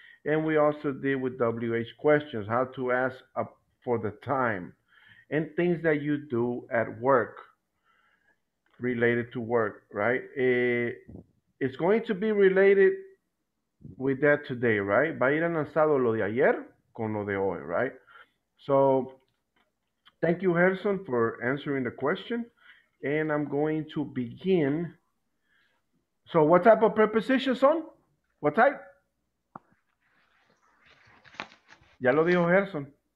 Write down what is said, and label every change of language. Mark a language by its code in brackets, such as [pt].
[en] And we also did with WH questions, how to ask for the time. And things that you do at work, related to work, right? It's going to be related with that today, right? [es] Va a ir enlazado lo de ayer con lo de hoy, right? [en] So, thank you, Gerson, for answering the question. And I'm going to begin. So, what type of preposition, son? What type? [es] Ya lo dijo Gerson.